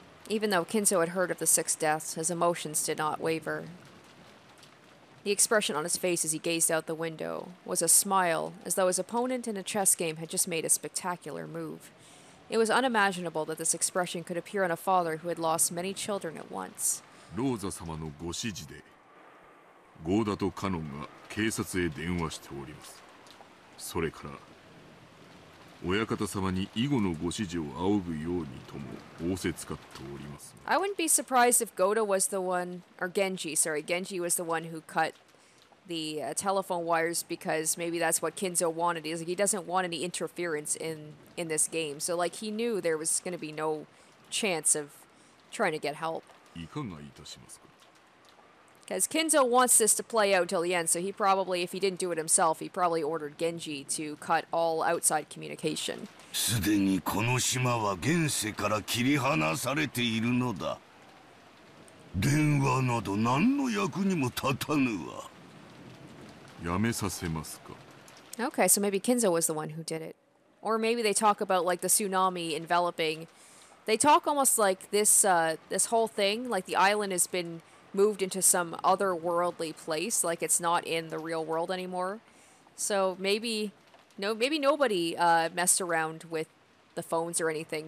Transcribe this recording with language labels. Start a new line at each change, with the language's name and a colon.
English: Even though Kinzo had heard of the six deaths, his emotions did not waver. The expression on his face as he gazed out the window was a smile, as though his opponent in a chess game had just made a spectacular move. It was unimaginable that this expression could appear on a father who had lost many children at once.
Japanese: Rosa 様のご指示で、ゴーダとカノンが警察へ電話しております。それから、親方様に囲碁のご指示を仰ぐようにとも仰せつかっております。
English: I wouldn't be surprised if Goda was the one, or Genji, sorry, Genji was the one who cut the, telephone wires because maybe that's what Kinzo wanted. He's like, he doesn't want any interference in this game. So, like, he knew there was gonna be no chance of trying to get help.
Japanese: いかがいたしますか?
English: Because Kinzo wants this to play out till the end, so he probably, if he didn't do it himself, he probably ordered Genji to cut all outside communication.
Japanese: すでにこの島は現世から切り離されているのだ。電話など何の役にも立たぬわ。やめさせますか?
English: Okay, so maybe Kinzo was the one who did it. Or maybe they talk about, like, the tsunami enveloping. They talk almost like this, this whole thing, like the island has been... moved into some otherworldly place, like it's not in the real world anymore. So maybe, no, maybe nobody messed around with the phones or anything.